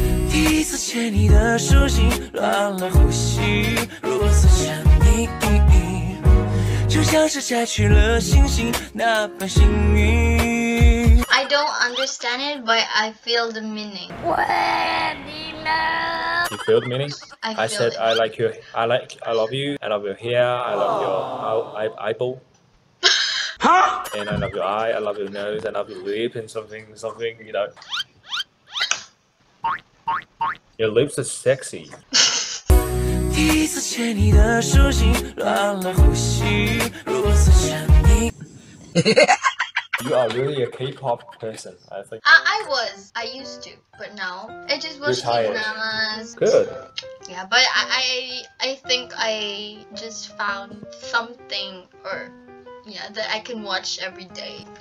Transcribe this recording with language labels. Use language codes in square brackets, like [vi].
[zh] 第一次写你的书信，乱了呼吸，如此想你，就像是摘去了星星那般幸运。 [en] I don't understand it, but I feel the meaning. You feel the meaning? I said、 it. I like you. I like. I love you. I love your hair. I love、your eyeball. Huh? And I love your eye. I love your nose. I love your lip and something, something. You know. Your lips are sexy. [zh] 第一次写你的书信，乱了呼吸，如此想你。 [en] You are really a K-pop person, I think. I used to, but now it just was dramas. Good. Yeah, but I think I just found something, or yeah, that I can watch every day.